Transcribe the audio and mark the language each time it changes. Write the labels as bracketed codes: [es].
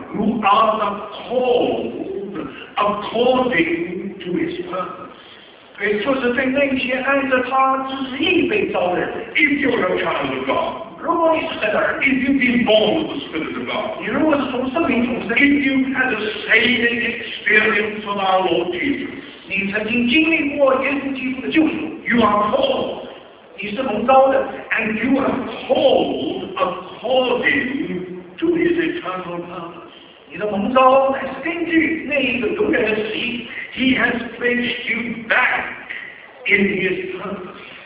[en] ，who are the called according to His purpose， [zh] 对，就是对那些按着他旨意被召的人 [en] ，if you are a child of God。 [zh] 如果你是神的儿子 [en] ，If you've been born with the Spirit of God， [zh] 你如果是从圣灵重生 [en] ，If you've had a saving experience of our Lord Jesus， [zh] 你曾经经历过耶稣基督的救赎 [en] ，You are called， [zh] 你是蒙召的 [en] ，And you are called according to His eternal purpose， [zh] 你的蒙召乃是根据那一个永远的旨意 [en] ，He has placed you back in His purpose，